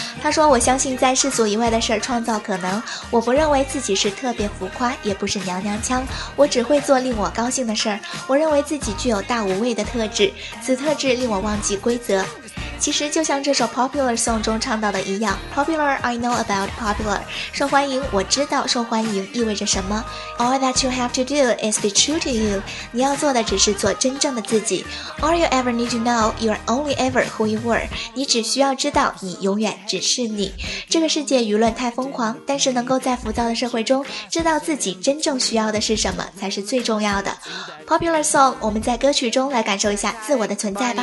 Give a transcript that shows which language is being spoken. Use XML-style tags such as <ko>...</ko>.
<zh>他说，我相信在世俗以外的事创造可能，我不认为自己是特别浮夸，也不是娘娘腔，我只会做令我高兴的事。我认为自己具有大无畏的特质，此特质令我忘记规则。其实就像这首 Popular Song 中唱到的一样，</zh> <en>Popular I know about popular，</en> <zh>受欢迎我知道受欢迎意味着什么。</zh> <en>All that you have to do is be true to you，</en> <zh>你要做的只是做真正的自己。</zh> <en>All you ever need to know， you are only ever who you were，</en> <zh>你只需要知道你永远只是你。这个世界舆论太疯狂，但是能够在浮躁的社会中知道自己真正需要的是什么才是最重要的。 Popular Song， 我们在歌曲中来感受一下自我的存在吧。</zh>